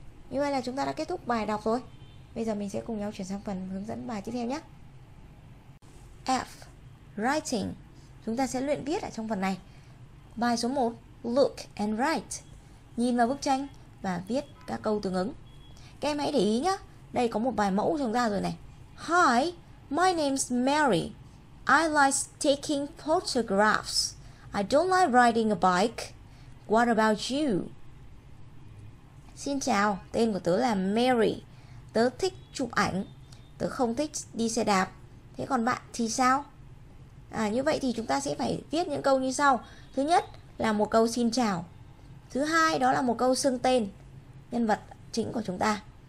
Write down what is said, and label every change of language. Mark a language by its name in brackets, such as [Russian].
[Vietnamese] Như vậy là chúng ta đã kết thúc bài đọc rồi. Bây giờ mình sẽ cùng nhau chuyển sang phần hướng dẫn bài tiếp theo nhé. F. Writing. Chúng ta sẽ luyện viết ở trong phần này. Bài số 1. [English] Look and write. [Vietnamese] Nhìn vào bức tranh và viết các câu tương ứng. Các em hãy để ý nhé. Đây có một bài mẫu chúng ta rồi này. [English] Hi, my name's Mary. I like taking photographs. I don't like riding a bike. What about you? [Vietnamese] Xin chào, tên của tớ là Mary. Tớ thích chụp ảnh. Tớ không thích đi xe đạp. Thế còn bạn thì sao? À, như vậy thì chúng ta sẽ phải viết những câu như sau. Thứ nhất là một câu xin chào. Thứ hai đó là một câu xưng tên nhân vật chính của chúng ta.